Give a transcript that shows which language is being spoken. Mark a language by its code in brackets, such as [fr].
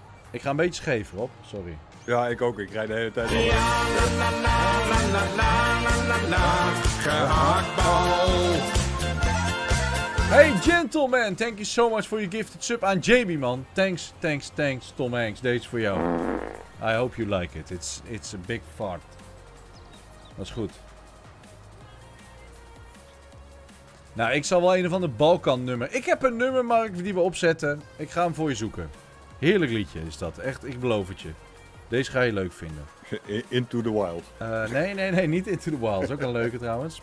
[nl] Ik ga een beetje scheef, Rob, sorry. Ja, ik ook, ik rijd de hele tijd door. [en] Hey gentlemen, thank you so much for your gifted sub aan Jamie, man. [nl] Thanks, Tom Hanks, deze voor jou. [en] I hope you like it, it's a big fart. [nl] Dat is goed. Nou, ik zal wel een of ander Balkan nummer. Ik heb een nummer, Mark, die we opzetten. Ik ga hem voor je zoeken. Heerlijk liedje is dat. Echt, ik beloof het je. Deze ga je leuk vinden. [en] Into the Wild. [nl] Nee, niet Into the Wild. Is ook een leuke trouwens.